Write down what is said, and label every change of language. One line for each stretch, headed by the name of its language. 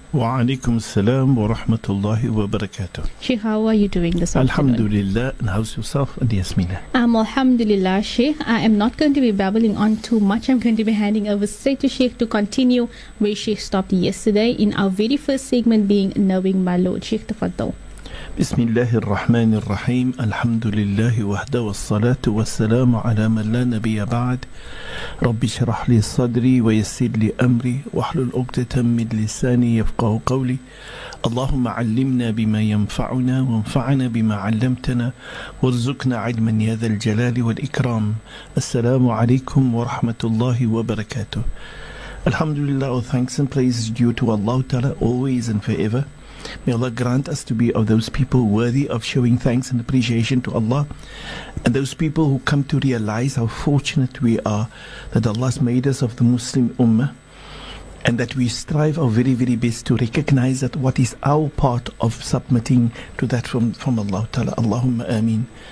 Arabic: Wa alaikum salam wa rahmatullahi wa barakatuh.
English: Sheikh, how are you doing this afternoon? Alhamdulillah. And how's yourself, Yasmina? Alhamdulillah, Sheikh. I am not going to be babbling on too much. I'm going to be handing over straight to Sheikh to continue where Sheikh stopped yesterday in our very first segment, being Knowing My Lord. Sheikh, tafaddal.
Arabic: بسم الله الرحمن الرحيم الحمد لله وحده والصلاة والسلام على من لا نبي بعد ربي اشرح لي صدري ويسر لي أمري واحلل عقدة من لساني يفقه قولي اللهم علمنا بما ينفعنا وانفعنا بما علمتنا وارزقنا علما يا ذا الجلال والإكرام السلام عليكم ورحمة الله وبركاته الحمد لله
English: all thanks and praise due to Allah Ta'ala always and forever. May Allah grant us to be of those people worthy of showing thanks and appreciation to Allah, and those people who come to realize how fortunate we are that Allah has made us of the Muslim Ummah, and that we strive our very, very best to recognize that what is our part of submitting to that from Allah Ta'ala. Allahumma ameen.